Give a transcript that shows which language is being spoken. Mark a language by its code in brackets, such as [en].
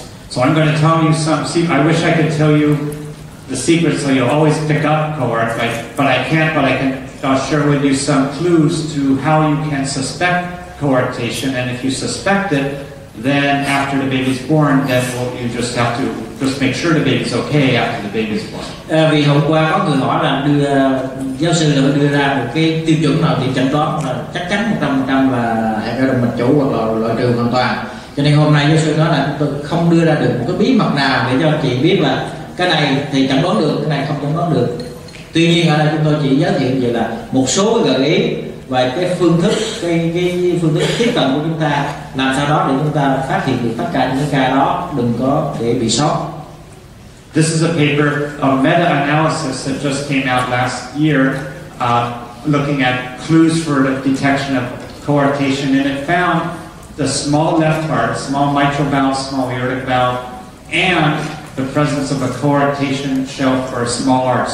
[en] So I'm going to tell you some. See, I wish I could tell you the secret so you always pick up coarct, but I can't. But I can share with you some clues to how you can suspect coarctation, and if you suspect it, then after the baby's born, then you just have to just make sure the baby's okay after the baby's born. [vi] Vì hôm qua có người hỏi là giáo sư là đưa ra một cái tiêu chuẩn nào thì chẩn đoán là chắc chắn 100% là hẹp đa động mạch chủ hoặc là loại trừ hoàn toàn. Cho nên hôm nay giáo sư nói là tôi không đưa ra được một cái bí mật nào để cho chị biết là cái này thì chẩn đoán được, cái này không chẩn đoán được. Tuy nhiên ở đây chúng tôi chỉ giới thiệu vậy là một số gợi ý và cái phương thức tiếp cận của chúng ta làm sao đó để chúng ta phát hiện được tất cả những ca đó, đừng có để bị sót. [en] This is a paper, a meta-analysis that just came out last year, looking at clues for the detection of coarctation, and it found the small left heart, small mitral valve, small aortic valve, and the presence of a coarctation shelf or a small arch.